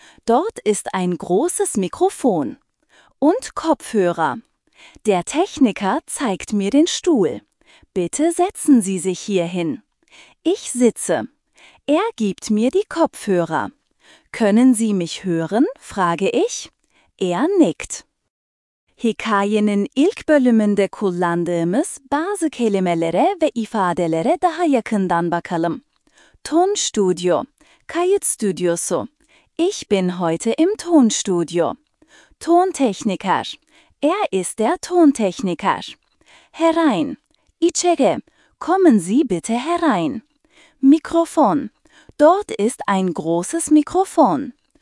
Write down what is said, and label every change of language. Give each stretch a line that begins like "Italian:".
German: Dort ist ein großes Mikrofon. Und Kopfhörer. Der Techniker zeigt mir den Stuhl. Bitte setzen Sie sich hierhin. Ich sitze. Er gibt mir die Kopfhörer. Können Sie mich hören? Frage ich. Er nickt.
Turkish: Hikayenin ilk bölümünde kullandığımız bazı kelimelere ve ifadelere daha yakından bakalım. Tonstudio, kayıt stüdyosu.
German: Ich bin heute im Tonstudio. Tontechniker, er ist der Tontechniker. Herein, içeri, kommen Sie bitte herein. Mikrofon, dort ist ein großes Mikrofon.